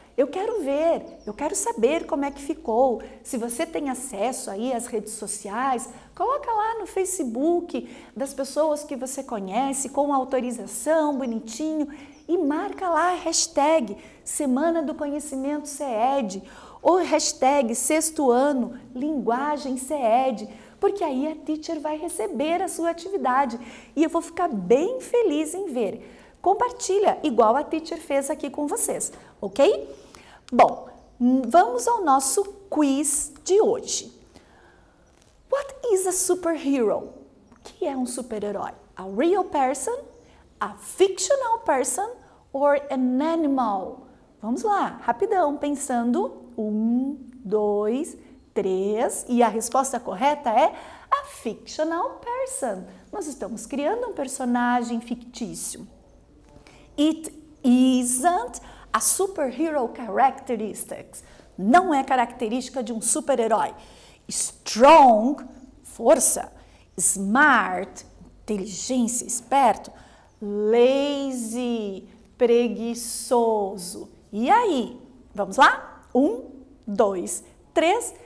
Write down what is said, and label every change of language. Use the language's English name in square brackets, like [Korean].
[Portuguese] Eu quero ver, eu quero saber como é que ficou. Se você tem acesso aí às redes sociais, coloca lá no Facebook das pessoas que você conhece com autorização, bonitinho, e marca lá a hashtag Semana do Conhecimento CED ou hashtag Sexto Ano Linguagem CED, porque aí a teacher vai receber a sua atividade e eu vou ficar bem feliz em ver. Compartilha, igual a teacher fez aqui com vocês, ok? Bom, vamos ao nosso quiz de hoje. [English] What is a superhero? [Portuguese] O que é um super-herói? [English] A real person, a fictional person or an animal? [Portuguese] Vamos lá, rapidão, pensando. Um, dois, três. E a resposta correta é [English] a fictional person. [Portuguese] Nós estamos criando um personagem fictício. [English] It isn't a superhero characteristics. [Portuguese] Não é característica de um super-herói. Strong, força. Smart, inteligência, esperto. Lazy, preguiçoso. E aí? Vamos lá? Um, dois, três.